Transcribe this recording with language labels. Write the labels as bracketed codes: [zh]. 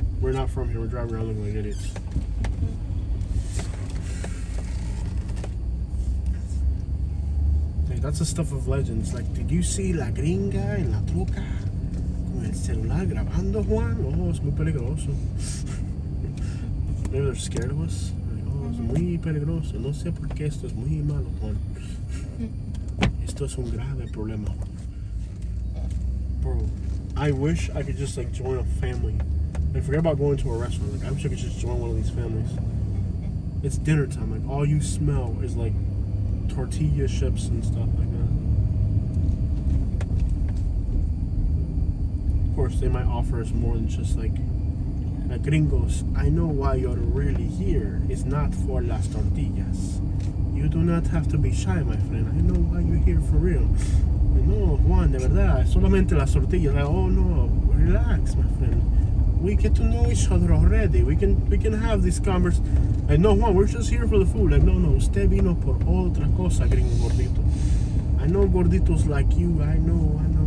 [en] We're not from here, we're driving around looking like idiots. Mm-hmm. Hey, that's the stuff of legends. Like, did you see [es] La Gringa en La Troca? El celular grabando Juan. [en] Oh, it's [es] muy peligroso. [en] Maybe they're scared of us. Like, oh, it's [es] muy peligroso. No sé por qué esto es muy malo, Juan. Esto es un grave problema. [en] Bro, I wish I could just like join a family. And forget about going to a restaurant. Like, I wish I could just join one of these families. It's dinner time. Like, all you smell is like tortilla chips and stuff like that. Of course, they might offer us more than just like, gringos, I know why you're really here. It's not for [es] las tortillas. [en] You do not have to be shy, my friend. I know why you're here for real. [es] No, Juan, de verdad, solamente las tortillas. [en] Like, oh no, relax, my friend. We get to know each other already. We can have this conversation. Like, no, Juan, we're just here for the food. [es] Like, no, usted vino por otra cosa, gringo gordito. [en] I know gorditos like you. I know.